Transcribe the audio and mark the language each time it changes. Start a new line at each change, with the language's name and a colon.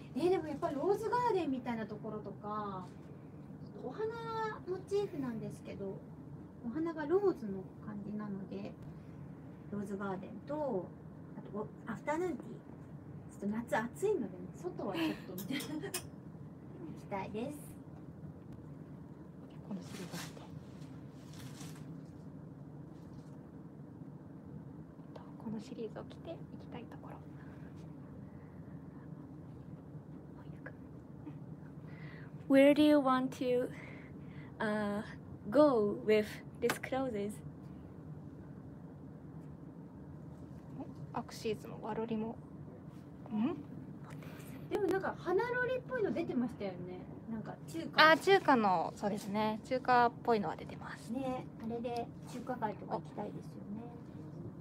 Japanese: でもやっぱりローズガーデンみたいなところとか、お花モチーフなんですけど、お花がローズの感じなのでローズガーデンと、あとアフタヌーンティー、ちょっと夏暑いので、ね、外はちょっと行きたいです。このシルバーで、このシリーズを着て行きたいところ。
English: Where do you want to go with these clothes?
Japanese: アクシーズもワロリも、ん？でもなんか花ロリっぽいの出てましたよね。なんか中華。あ、中華の、そうですね。中華っぽいのは出てます。ね、あれで中華街とか行きたいですよね。